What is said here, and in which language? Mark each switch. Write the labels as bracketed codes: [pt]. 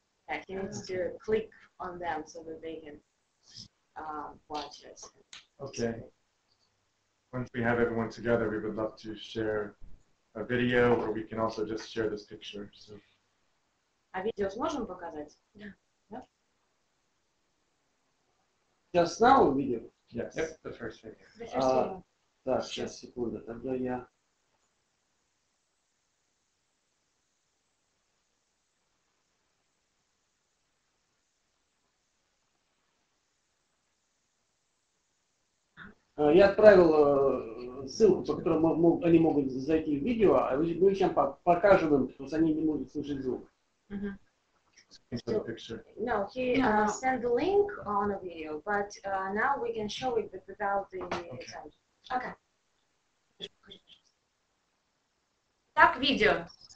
[en] Yeah, he needs to click on them so that they can watch us. Okay. Once we have everyone together, we would love to share a video, or we can also just share this picture. So. [ru] А видео сможем показать? [en] Yeah. Just now video? Yes. Yep, the first video. [ru] Да, сейчас, секунду, тогда я... Я отправил ссылку, по которой они могут зайти в видео, а мы сейчас покажем им, потому что они не могут слышать звук. [en] No, he sent the link on a video, but now we can show it without the sound. Okay. Okay. [ru] Так, видео.